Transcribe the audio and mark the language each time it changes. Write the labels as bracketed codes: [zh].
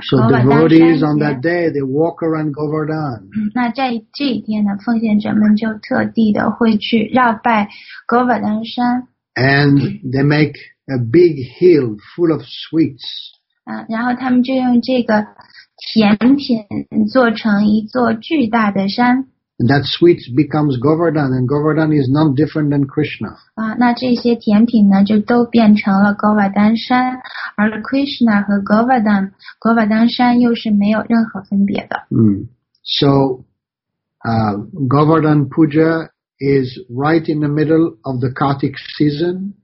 [en] So the devotees on that day they walk around Govardhan. [zh] 嗯，那在这一天呢，奉献者们就特地的会去绕拜 Govardhan 山。 [en] And they make a big hill full of sweets. [zh] 嗯，然后他们就用这个。甜品做成一座巨大的山。 [en] And that sweet becomes Govardhan, and Govardhan is not different than Krishna. [zh] 啊，那这些甜品呢，就都变成了 Govardhan 山，而 Krishna 和 Govardhan 山又是没有任何分别的。 [en] 嗯、So, Govardhan Puja is right in the middle of the Kartik season.